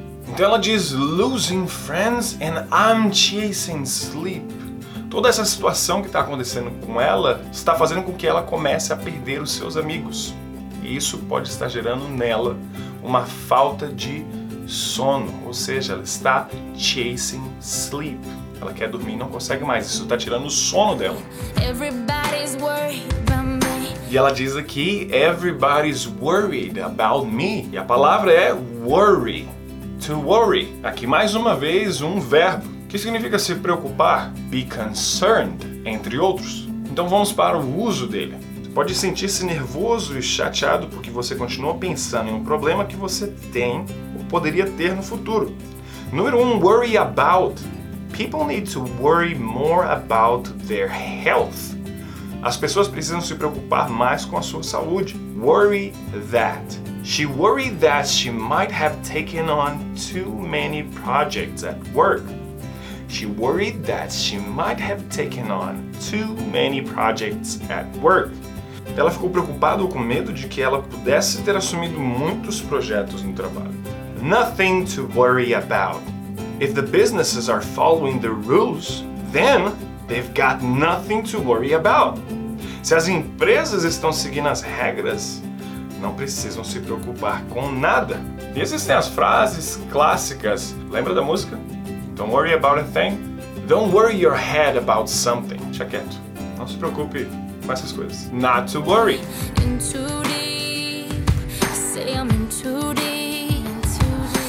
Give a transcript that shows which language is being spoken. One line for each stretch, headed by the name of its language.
English: Então ela diz, losing friends and I'm chasing sleep.
Portuguese: Toda essa situação que está acontecendo com ela está fazendo com que ela comece a perder os seus amigos. E isso pode estar gerando nela uma falta de sono. Ou seja, ela está chasing sleep. Ela quer dormir e não consegue mais. Isso está tirando o sono dela.
English: Everybody's worried.
Portuguese: E ela diz aqui,
English: everybody's worried about me.
Portuguese: E a palavra é worry. To worry. Aqui mais uma vez um verbo. Que significa se preocupar. Be concerned, entre outros. Então vamos para o uso dele. Você pode sentir-se nervoso e chateado porque você continua pensando em um problema que você tem ou poderia ter no futuro. Número 1, worry about.
English: People need to worry more about their health.
Portuguese: As pessoas precisam se preocupar mais com a sua saúde.
English: Worry that. She worried that she might have taken on too many projects at work. She worried that she might have taken on too many projects at work.
Portuguese: Ela ficou preocupada ou com medo de que ela pudesse ter assumido muitos projetos no trabalho.
English: Nothing to worry about. If the businesses are following the rules, then they've got nothing to worry about.
Portuguese: Se as empresas estão seguindo as regras, não precisam se preocupar com nada. E existem as frases clássicas. Lembra da música?
English: Don't worry about a thing. Don't worry your head about something.
Portuguese: Deixa quieto. Não se preocupe com essas coisas.
English: Not to worry. In too deep. Say I'm in too deep. In too deep.